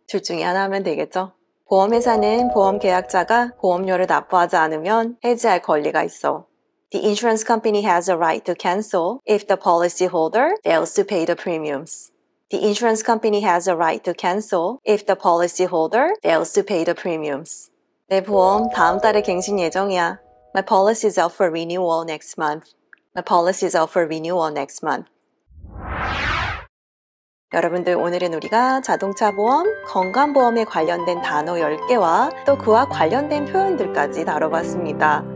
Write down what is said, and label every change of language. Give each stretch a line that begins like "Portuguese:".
Korean: 둘 중에 하나 하면 되겠죠? 보험회사는 보험 계약자가 보험료를 납부하지 않으면 해지할 권리가 있어.
English: The insurance company has a right to cancel if the policyholder fails to pay the premiums. The insurance company has a right to cancel if the policyholder fails to pay the premiums.
Korean: 내 보험 다음 달에 갱신 예정이야.
English: My policy is up for renewal next month. My policy is up for renewal next month.
Korean: 여러분들 오늘은 우리가 자동차 보험, 건강보험에 관련된 단어 10개와 또 그와 관련된 표현들까지 다뤄봤습니다.